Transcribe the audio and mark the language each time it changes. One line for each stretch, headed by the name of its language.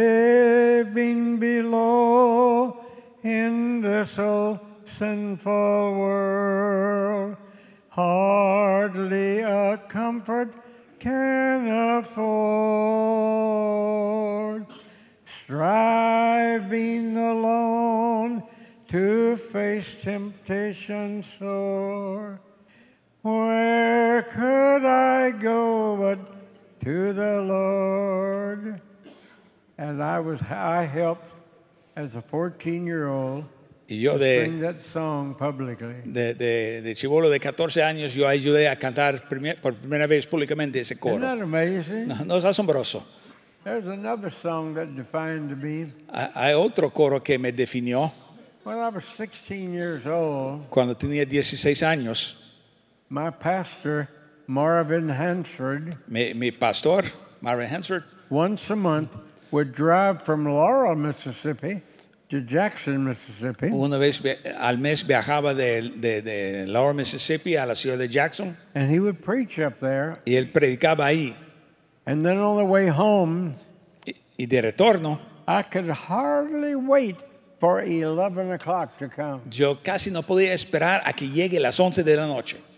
English: Living below in this old sinful world, hardly a comfort can afford, striving alone to face temptation sore, where could I go but to the Lord? And I helped as a 14-year-old to sing that song publicly.
Spanish: De chivolo de 14 años, yo ayudé a cantar por primera vez públicamente ese coro.
English: Isn't that amazing?
Spanish: No es asombroso.
English: There's another song that defined me.
Spanish: Hay otro coro que me definió.
English: When I was 16 years old,
Spanish: cuando tenía 16 años,
English: my pastor Marvin Hansford,
Spanish: mi pastor Marvin Hansford,
English: once a month would drive from Laurel, Mississippi. to Jackson, Mississippi.
Spanish: Una vez al mes viajaba de Lower Mississippi a la ciudad de Jackson.
English: And he would preach up there.
Spanish: Y él predicaba ahí.
English: And then on the way home,
Spanish: y de retorno,
English: I could hardly wait for 11 o'clock to come.
Spanish: Yo casi no podía esperar a que llegue las 11 de la noche.